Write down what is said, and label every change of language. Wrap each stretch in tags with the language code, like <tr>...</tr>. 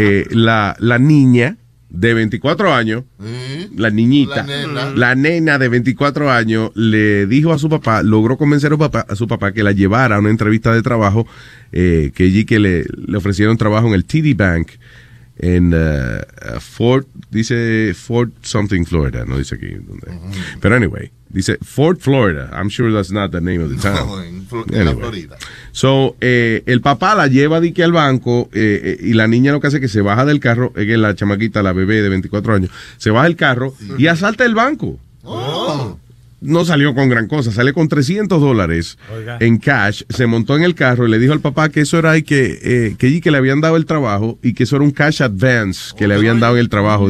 <es>La niña de 24 años, la niñita, la nena de 24 años, le dijo a su papá, logró convencer a su papá que la llevara a una entrevista de trabajo, que allí que le ofrecieron trabajo en el TD Bank, en Fort something Florida, no dice aquí dónde. Pero</es> <en>anyway,</en> <es>dice</es> <en>Fort Florida, I'm sure that's not the name of the town.</en> <es>No, en la Florida. So, el papá la lleva de aquí al banco, y la niña lo que hace es que se baja del carro, es que la chamaquita, la bebé de 24 años, se baja del carro, sí, y asalta el banco. No salió con gran cosa, sale con $300 en cash, se montó en el carro y le dijo al papá que eso era que le habían dado el trabajo y que eso era un cash advance que le habían dado en el trabajo.</es>